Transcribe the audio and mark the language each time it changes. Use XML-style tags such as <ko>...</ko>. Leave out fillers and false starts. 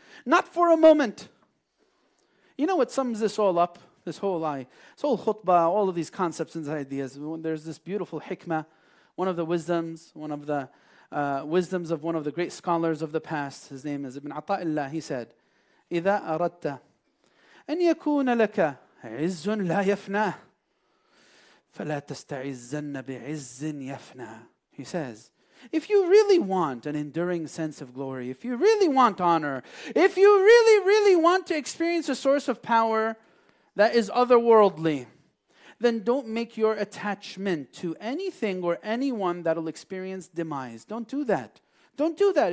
<en>Not for a moment. You know what sums this all up? This whole khutbah, all of these concepts and ideas. There's this beautiful hikmah, one of the wisdoms of one of the great scholars of the past. His name is Ibn Ata'illah. He said,</en> <ar>إِذَا أَرَدْتَ أن يكون لك عز لا يفنى فلا تستعزن بعز يفنى.</ar> <en>He says, if you really want an enduring sense of glory, if you really want honor, if you really, really want to experience a source of power that is otherworldly, then don't make your attachment to anything or anyone that'll experience demise. Don't do that. Don't do that.</en>